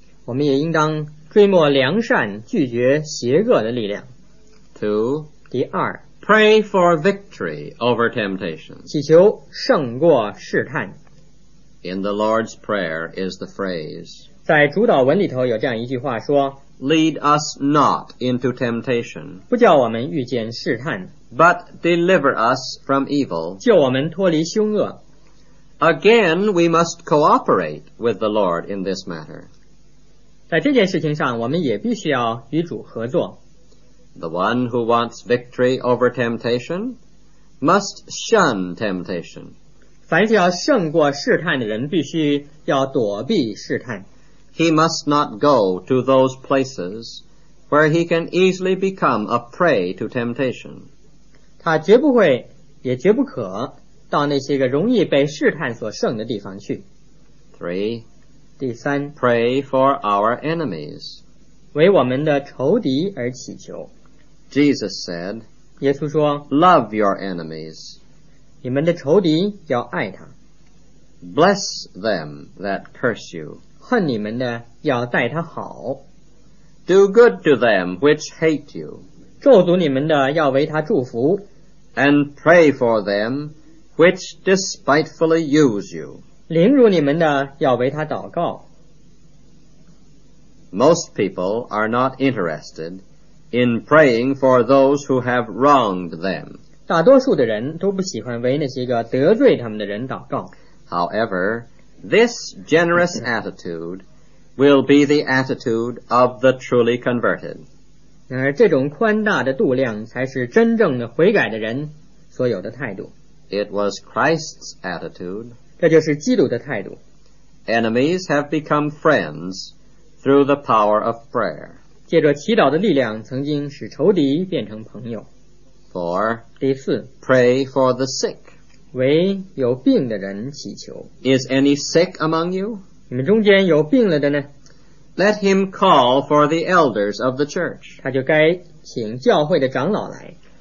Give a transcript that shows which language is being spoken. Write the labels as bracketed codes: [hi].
[zh] 我们也应当追慕良善，拒绝邪恶的力量。 [en] Two, [zh] 第二 [en] ，pray for victory over temptation， [zh] 祈求胜过试探。 [en] In the Lord's Prayer is the phrase， [zh] 在主导文里头有这样一句话说 [en] ：“Lead us not into temptation， [zh] 不叫我们遇见试探 [en] ，but deliver us from evil， [zh] 救我们脱离凶恶。 [en] ”Again, we must cooperate with the Lord in this matter. [zh] 在这件事情上我们也必须要与主合作。 [en] The one who wants victory over temptation must shun temptation. [zh] 凡是要胜过试探的人必须要躲避试探。 [en] He must not go to those places where he can easily become a prey to temptation. [zh] 他绝不会也绝不可到那些个容易被试探所胜的地方去。 [en] Three. [zh] 第三 [en] ，Pray for our enemies， [zh] 为我们的仇敌而祈求。 [en] Jesus said， [zh] 耶稣说 [en] ，Love your enemies， [zh] 你们的仇敌要爱他。 [en] Bless them that curse you， [zh] 恨你们的要待他好。 [en] Do good to them which hate you， [zh] 咒诅你们的要为他祝福。 [en] And pray for them which despitefully use you。 [zh] 凌辱你们的要为他祷告。 [en] Most people are not interested in praying for those who have wronged them. [zh] 大多数的人都不喜欢为那些个得罪他们的人祷告。 [en] However, this generous attitude will be the attitude of the truly converted. [zh] 然而这种宽大的度量才是真正的悔改的人所有的态度。 [en] It was Christ's attitude. [zh] 这就是基督的态度。 [en] Enemies have become friends through the power of prayer. [zh] 借着祈祷的力量，曾经使仇敌变成朋友。 [en] Four. [zh] 第四。 [en] Pray for the sick. [zh] 为有病的人祈求。 [en] Is any sick among you? [zh] 你们中间有病了的呢？ [en] Let him call for the elders of the church. [zh] 他就该请教会的长老来。